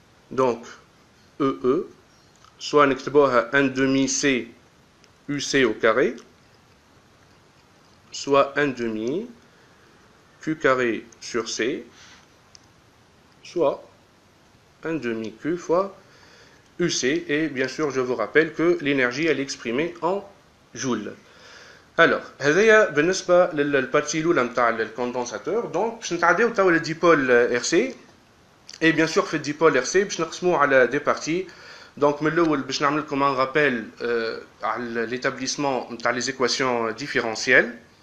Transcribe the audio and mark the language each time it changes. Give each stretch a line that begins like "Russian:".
French: Donc, EE, soit un demi C UC au carré, soit un demi Q carré sur C, soit 1 demi Q fois UC. Et bien sûr, je vous rappelle que l'énergie, elle est exprimée en joules.
Arabic: Alors, هذايا بالنسبة للبارتي الأولى نتاع الكوندنساتور. Donc, باش نتعداو تاو للديبول RC.
French: Et bien sûr,
Arabic: في الديبول RC, باش نقسموه على دي بارتي.
French: Donc,
Arabic: من الأول باش نعمل لكم
French: un rappel à l'établissement نتاع les équations différentielles.